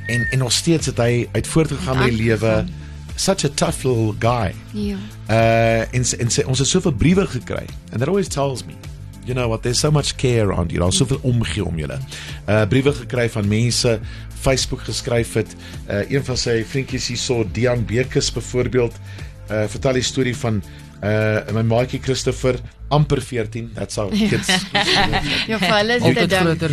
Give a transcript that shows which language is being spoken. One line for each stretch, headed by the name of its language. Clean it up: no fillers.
Afrikaans: En nog steeds het hy het voortgegaan met die lewe.
English: such a tough little guy. Yeah. And
Afrikaans: ons het soveel briewe gekry.
English: And that always tells me, you know what, there's so much care around you.
Afrikaans: Daar's soveel omgee om julle. Briewe gekry van mense, Facebook geskryf het. Een van sy vriendjies hier so, Dian Beekes byvoorbeeld, vertel die storie van my maatjie Christopher, amper 14,
English: that's how kids.
Afrikaans: Ja, vir hulle is dit altyd groter.